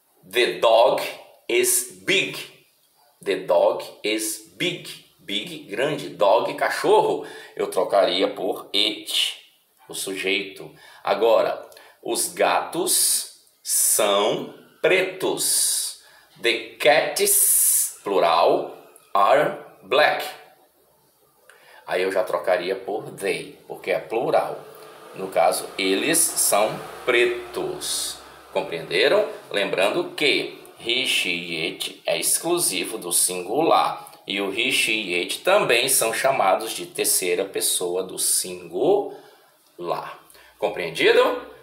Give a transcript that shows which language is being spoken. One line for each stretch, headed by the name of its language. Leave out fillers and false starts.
English: The dog is big. The dog is big. Big, grande.
Portuguese: Dog, cachorro, eu trocaria por it, o sujeito. Agora, os gatos são pretos.
English: The cats, plural, are black.
Portuguese: Aí eu já trocaria por they, porque é plural. No caso, eles são pretos. Compreenderam? Lembrando que he, she, it é exclusivo do singular. E o he, she, it também são chamados de terceira pessoa do singular. Compreendido?